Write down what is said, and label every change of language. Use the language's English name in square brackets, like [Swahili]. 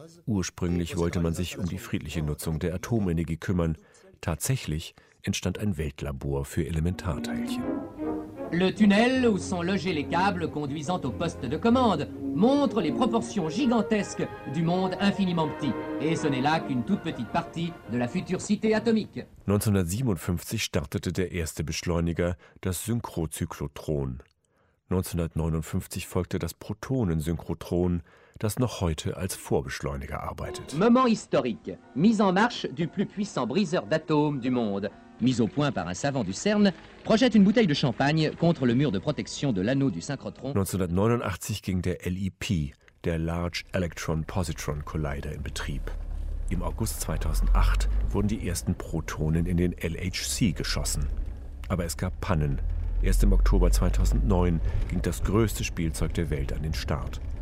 [German] Ursprünglich wollte man sich um die friedliche Nutzung der Atomenergie kümmern. Tatsächlich entstand ein Weltlabor für Elementarteilchen. [French] Le tunnel où sont logés les câbles conduisant au poste de commande montre les proportions gigantesques du monde infiniment petit. Et ce n'est là qu'une toute petite partie de la future cité atomique. [German] 1957 startete der erste Beschleuniger, das Synchrozyklotron. 1959 folgte das Protonensynchrotron, das noch heute als Vorbeschleuniger arbeitet. [French] Moment historique, mise en marche du plus puissant briseur d'atomes du monde. Mise au point par un savant du CERN, projette une bouteille de champagne contre le mur de protection de l'anneau du synchrotron. [German] 1989 ging der LEP, der Large Electron Positron Collider, in Betrieb. Im August 2008 wurden die ersten Protonen in den LHC geschossen. Aber es gab Pannen. Erst im Oktober 2009 ging das größte Spielzeug der Welt an den Start.